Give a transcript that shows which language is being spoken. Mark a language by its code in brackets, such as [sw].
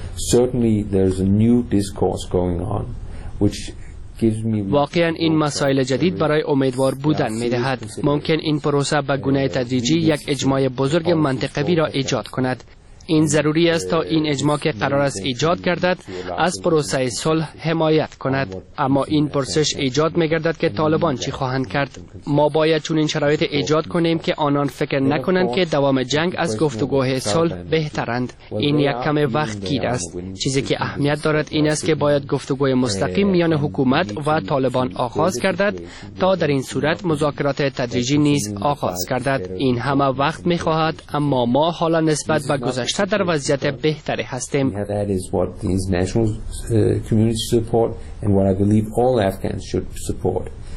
[en] Certainly there's a new discourse going on which [fa] واقعا این مسائل جدید برای امیدوار بودن می دهد. ممکن این پروسه به گونه تدریجی یک اجماع بزرگ منطقوی را ایجاد کند. این ضروری است تا این اجماع که قرار است ایجاد گردد از پروسه صلح حمایت کند. اما این پرسش ایجاد می‌گردد که طالبان چی خواهند کرد. ما باید چون این شرایط ایجاد کنیم که آنان فکر نکنند که دوام جنگ از گفتگوه صلح بهترند. این یک کم وقت گیر است. چیزی که اهمیت دارد این است که باید گفتگوی مستقیم میان حکومت و طالبان آغاز گردد تا در این صورت مذاکرات تدریجی نیز آغاز گردد. این همه وقت می‌خواهد، اما ما حالا نسبت به گذشته تا در وضعیت بهتری هستیم. [en] That is what these national communities support and what I believe all Afghans should support.